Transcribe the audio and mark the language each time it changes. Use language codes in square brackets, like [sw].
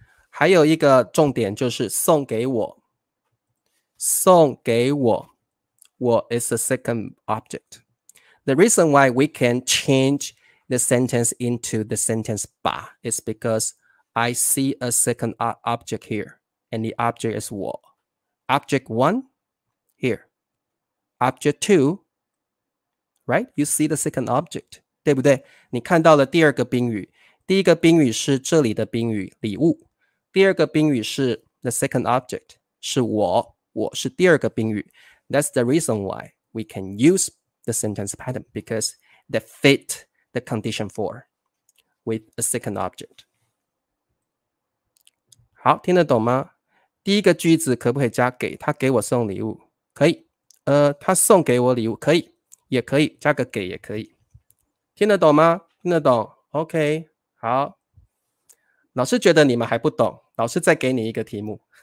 [zh] 还有一个重点就是送给我。送给我。我 [en] is the second object. The reason why we can change the sentence into the sentence 把 is because I see a second object here, and the object is 我. Object 1, here. Object 2, right? You see the second object, [zh] 对不对？你看到了第二个宾语。第一个宾语是这里的宾语，礼物。第二个宾语是 [en] the second object, [zh] 是我。我是第二个宾语。 [en] That's the reason why we can use the sentence pattern, because they fit the condition 4 with a second object. [zh] 好，听得懂吗？第一个句子可不可以加给？他给我送礼物，可以。他送给我礼物，可以，也可以，加个给也可以。听得懂吗？听得懂。OK, 好。老师觉得你们还不懂，老师再给你一个题目。